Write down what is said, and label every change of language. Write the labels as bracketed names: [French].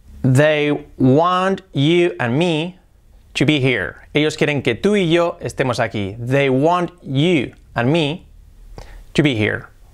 [English] They want you and me to be here. [Spanish] Ellos quieren que tú y yo estemos aquí. [English] They want you and me to be here.